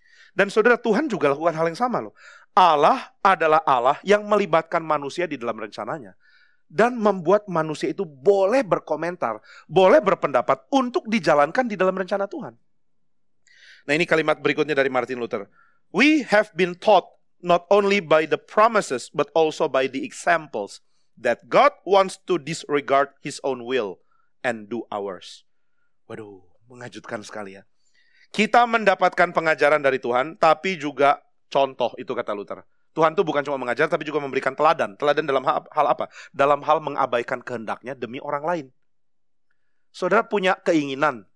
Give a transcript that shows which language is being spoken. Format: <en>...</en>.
<id>Dan saudara, Tuhan juga lakukan hal yang sama loh. Allah adalah Allah yang melibatkan manusia di dalam rencananya. Dan membuat manusia itu boleh berkomentar, boleh berpendapat untuk dijalankan di dalam rencana Tuhan. Nah, ini kalimat berikutnya dari Martin Luther.</id> <en>We have been taught not only by the promises, but also by the examples that God wants to disregard his own will and do ours.</en> <id>Waduh, mengajutkan sekali ya. Kita mendapatkan pengajaran dari Tuhan, tapi juga contoh, itu kata Luther. Tuhan itu bukan cuma mengajar, tapi juga memberikan teladan. Teladan dalam hal apa? Dalam hal mengabaikan kehendaknya demi orang lain. Saudara punya keinginan.</id>